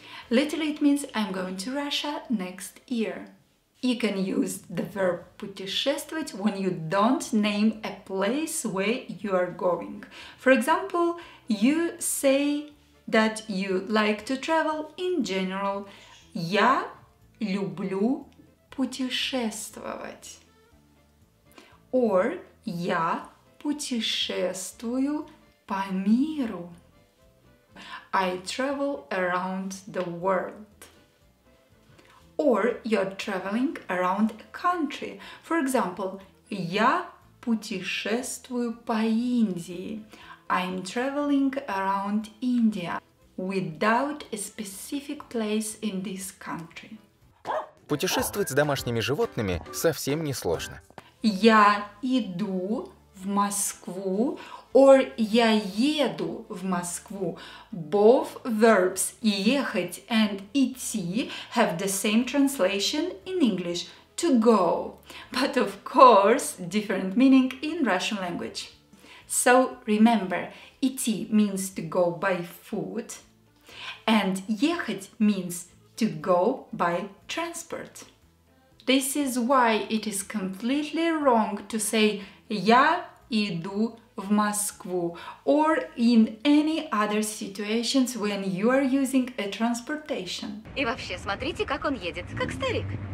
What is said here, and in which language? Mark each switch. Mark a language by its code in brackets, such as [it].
[en] Literally, it means I'm going to Russia next year. You can use the verb путешествовать when you don't name a place where you are going. For example, you say that you like to travel in general. [ru] Я люблю путешествовать. Or я путешествую по миру. [en] I travel around the world. Or you're traveling around a country. For example, [ru] я путешествую по Индии. [en] I'm traveling around India without a specific place in this country. [ru] Путешествовать с домашними животными совсем не сложно. Я иду в Москву [en] or [ru] я еду в Москву. [en] Both verbs ехать and идти have the same translation in English, to go. But of course, different meaning in Russian language. So remember, идти means to go by foot, and ехать means to go by transport. This is why it is completely wrong to say [ru] я иду в Москву, [en] or in any other situations when you are using a transportation. [ru] И вообще, смотрите, как он едет, как старик.